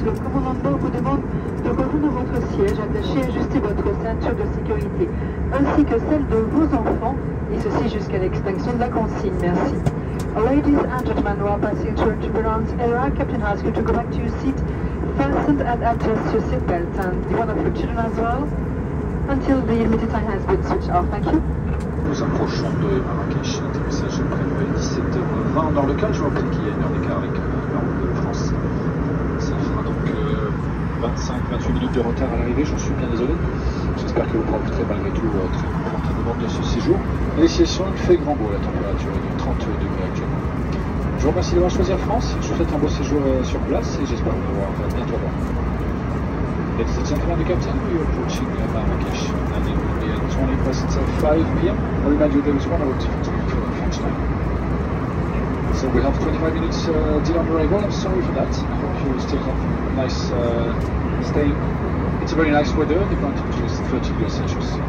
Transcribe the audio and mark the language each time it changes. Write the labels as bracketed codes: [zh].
[fr] Le commandant de bord vous demande de revenir à votre siège attaché et ajuster votre ceinture de sécurité, ainsi que celle de vos enfants, et ceci jusqu'à l'extinction de la consigne. Merci. [en] Ladies and gentlemen, while passing through a turbulence era, Captain asks you to go back to your seat, fastened and adjust your seatbelt, and the one of your children as well, until the emitter time has been switched off. Thank you. [fr] Nous approchons de Marrakech, atterrissage prévu à 17h20, dans le cadre, je rappelle qu'il y a une heure d'écart avec l'heure de France. Ça fera donc 25-28 minutes de retard à l'arrivée, j'en suis bien désolé. J'espère que vous profiterez malgré tout très confortablement de ce séjour. Les sessions, il fait grand beau, la température est de 30 degrés actuellement. Je vous remercie d'avoir choisi France, je vous souhaite un beau séjour sur place et j'espère vous voir bientôt là. [en] Ladies and gentlemen, the captain, we are approaching Marrakech and it will be at 20 past 5 p.m. I remind you there is 1 hour difference between French time. So we have 25 minutes delay on arrival. I'm sorry for that. I hope you still have a nice stay. It's a very nice weather, the temperature is 30 degrees Celsius.